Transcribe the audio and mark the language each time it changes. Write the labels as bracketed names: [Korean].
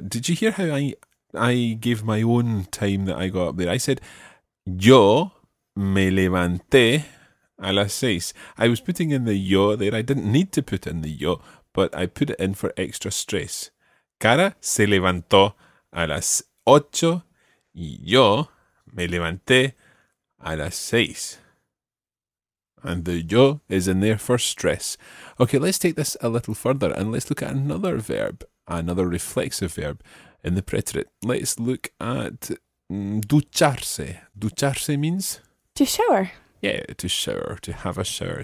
[English] Did you hear how I gave my own time that I got up there? I said, [Spanish] yo me levanté a las 6. [English] I was putting in the yo there. I didn't need to put in the yo, but I put it in for extra stress. [Spanish] Cara se levantó a las 8 y yo me levanté a las 6. [English] And the yo is in there for stress. Okay, let's take this a little further and let's look at another verb, another reflexive verb in the preterite. Let's look at ducharse. Ducharse means? To shower. Yeah, to shower, to have a shower.